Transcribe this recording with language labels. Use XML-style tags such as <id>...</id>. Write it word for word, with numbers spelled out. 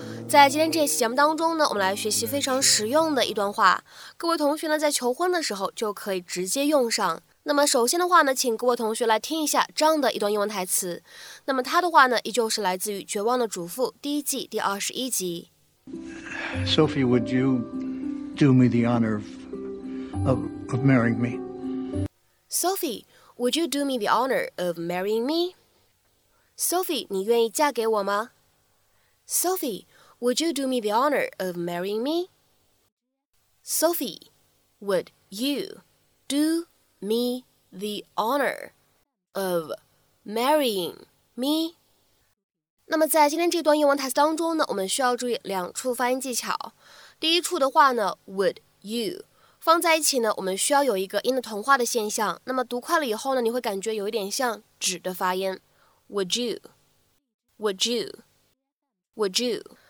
<zh>在今天这期节目当中呢，我们来学习非常实用的一段话，各位同学呢在求婚的时候就可以直接用上。那么首先的话呢，请各位同学来听一下这样的一段英文台词。那么它的话呢，依旧是来自于《绝望的主妇》第一季第二十一集。</zh> <en>Sophie, would you do me the honor of of, of marrying me? Sophie, would you do me the honor of marrying me?</en> <zh>Sophie, 你愿意嫁给我吗？</zh> <en>Sophie, would you do me the honor of marrying me? Sophie, would you do me the honor of marrying me?</en> <zh>那么在今天这段英文台词当中呢，我们需要注意两处发音技巧。第一处的话呢 ，</zh> <en>would you。</en> <zh>放在一起呢，我们需要有一个音的同化的现象。那么读快了以后呢，你会感觉有一点像纸的发音。</zh> <en>Would you, would you, would you。</en>